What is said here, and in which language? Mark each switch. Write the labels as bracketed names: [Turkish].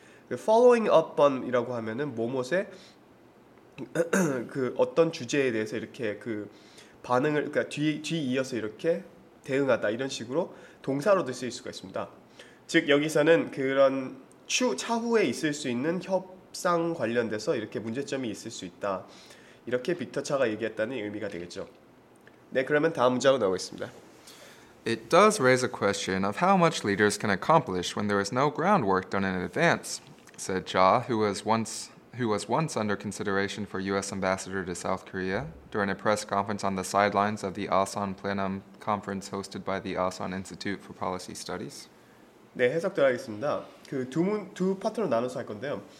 [English] Following up on [Korean] 이라고 하면은 뭐뭐에 그 어떤 주제에 대해서 이렇게 그 반응을 그러니까 뒤이어서 이렇게 대응하다 이런 식으로 동사로도 쓰일 수가 있습니다. 즉 여기서는 그런 차후에 있을 수 있는 협상 관련돼서 이렇게 문제점이 있을 수 있다 이렇게 빅터 차가 얘기했다는 의미가 되겠죠. 네 그러면 다음 문장으로 나오겠습니다. [English] It does raise a question of how much leaders can accomplish when there is no groundwork done in advance, said Cha, who was once under consideration for U.S. ambassador to South Korea, during a press conference on the sidelines of the ASEAN Plenum Conference hosted by the ASEAN Institute for Policy Studies. [Korean] 네, 해석드리겠습니다. 그 두 파트로 나눠서 할 건데요.